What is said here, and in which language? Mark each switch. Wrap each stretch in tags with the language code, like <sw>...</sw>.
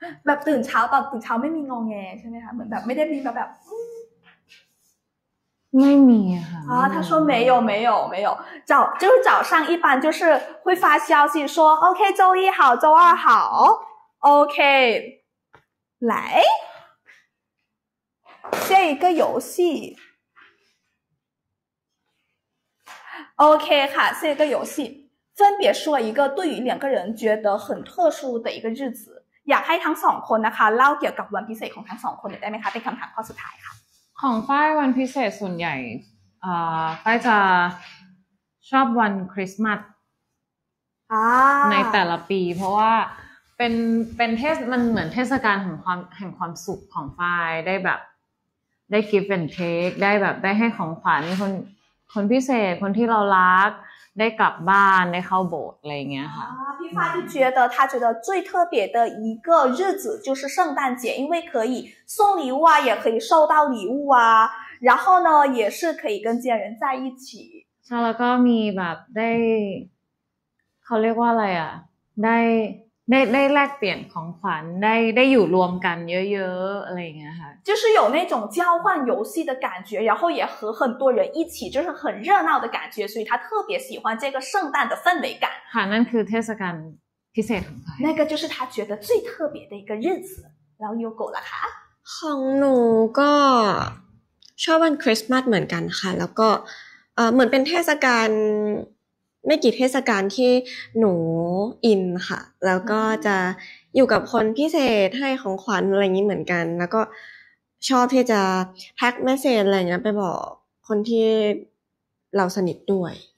<th>แบบตื่นเช้าตอนตื่นเช้าไม่มีงองแงใช่ไหมคะเหมือนแบบไม่ได้มีแบบ ไม่มีค่</th> <zh>ะอ๋อ他说没有没有没有早就是早上一般就是会发消息说 OK 周一好周二好 OK 来下一个游戏 OK 哈下一个游戏分别说一个对于两个人觉得很特殊的一个日子</zh> <th>อยากให้ทั้งสองคนนะคะเล่าเกี่ยวกับวันพิเศษของทั้งสองคนได้ไหมคะเป็นคำถามข้อสุดท้ายค่ะ ของฝ้ายวันพิเศษส่วนใหญ่ฝ้ายจะชอบวันคริสต์มาสในแต่ละปีเพราะว่าเป็นเทศมันเหมือนเทศกาลแห่งความสุขของฝ้ายได้แบบได้ give and take ได้แบบได้ให้ของขวัญคนพิเศษคนที่เรารักได้กลับบ้านได้เข้าโบสถ์อะไรอย่างเงี้ยค่ะ</th> <zh>พี่ฟ้าที่觉得他觉得最特别的一个日子就是圣诞节因为可以送礼物啊也可以收到礼物啊然后呢也是可以跟家人在一起</zh> <th>ใช่แล้วก็มีแบบได้เขาเรียกว่าอะไรอ่ะได้แลกเปลี่ยนของขวัญได้อยู่รวมกันเยอะๆอะไรอย่างเงี้ยค่ะ</th> <zh>就是有那种交换游戏的感觉然后也和很多人一起就是很热闹的感觉所以他特别喜欢这个圣诞的氛围感</zh> <th>ค่ะนั่นคือเทศกาลพิเศษของเขา</th> <zh>那个就是他觉得最特别的一个日子然后Yoko了ค่ะ</zh> <th>ของหนูก็ชอบวันคริสต์มาสเหมือนกันค่ะแล้วก็เหมือนเป็นเทศกาลไม่กี่เทศกาลที่หนูอินค่ะแล้วก็จะอยู่กับคนพิเศษให้ของขวัญอะไรอย่างนี้เหมือนกันแล้วก็ชอบที่จะแพ็กเมสเซจอะไรเงี้ยไปบอกคนที่เราสนิทด้วย</th>